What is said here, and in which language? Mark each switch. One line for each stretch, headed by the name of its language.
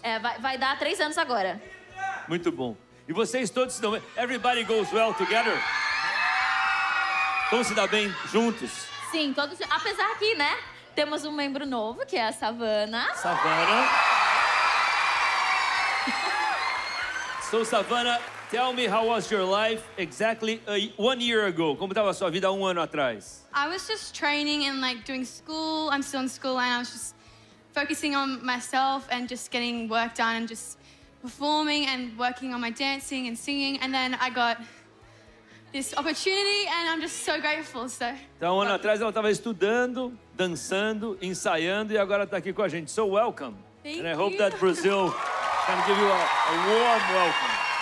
Portuguese: É, vai dar 3 anos agora. Muito bom. E vocês todos se dão bem?
English: Everybody goes well together?
Portuguese: Todos se dão bem juntos? Sim, todos. Apesar que, né, temos um membro novo, que é a Savannah. Savannah.
English: So, Savannah, tell me how was your life exactly 1 year ago?
Portuguese: Como estava a sua vida 1 ano atrás?
English: I was just training and, like, doing school. I'm still in school and I was just focusing on myself and just getting work done and just performing and working on my dancing and singing. And then I got this opportunity and I'm just so grateful, so.
Portuguese: Então, 1 ano atrás ela estava estudando, dançando, ensaiando e agora está aqui com a gente.
English: So, welcome. Thank and I you. Hope that Brazil can give you a warm welcome.